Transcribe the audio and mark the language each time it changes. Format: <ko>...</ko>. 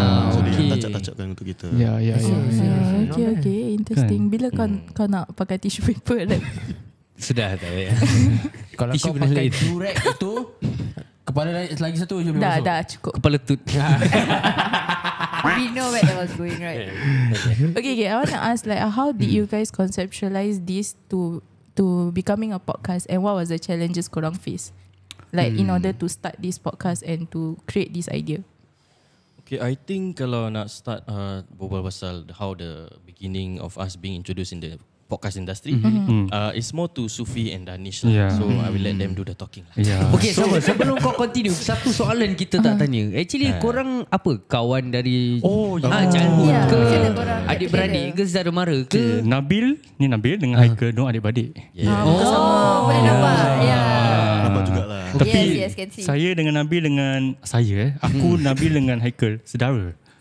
<ms>Okay. Dia tacak-tacakkan untuk kita.</ms> <en>Okay, interesting.</en> <ms>Bila kau nak pakai tissue paper lah? Sudah tak payah. Kalau kau pakai durek tu, kepala lagi satu je boleh masuk. Dah cukup. Kepala tut.</ms> <en>We know where that was going, right? Okay. I want to ask, like, how did you guys conceptualize this to becoming a podcast, and what was the challenges korang face, like, in order to start this podcast and to create this idea? Okay, I think</en> <ms>kalau nak start berbual pasal</ms> <en>how the beginning of us being introduced in the podcast industry, it's more to Sufi and Danish lah. So I will let them do the talking lah.</en> <ms>Okay, so sebelum kau continue, satu soalan kita tak tanya. Actually korang apa, kawan dari janggut ke adik-beradik ke saudara mara ke? Nabil ni, Nabil dengan Haikal dong adik-beradik. Boleh nampak. Tapi saya dengan Nabil, dengan saya aku Nabil dengan Haikal saudara.</ms>